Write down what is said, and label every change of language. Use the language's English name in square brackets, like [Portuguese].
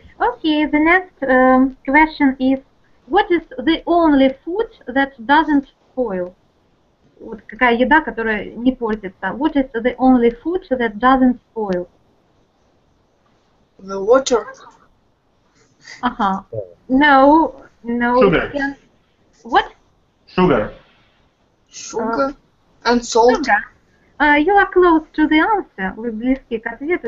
[English] Okay, the next question is, what is the only food that doesn't spoil? [Russian] Вот какая еда, которая не портится. [English] What is the only food that doesn't spoil? The water. Ага. No, no. Sugar. What? Sugar. And salt. Sugar. You are close to the answer. [Russian] Вы близки к ответу.